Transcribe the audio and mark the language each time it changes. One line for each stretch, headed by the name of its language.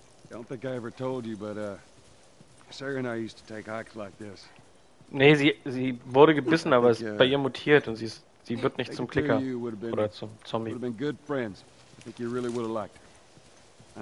English: Don't think I ever told you, but Sarah and I used to take hikes like this.
German: Nee, sie wurde gebissen, aber ist bei ihr mutiert und sie wird nicht zum Klicker oder zum Zombie.
English: Would have been good friends. I think you really would have liked her.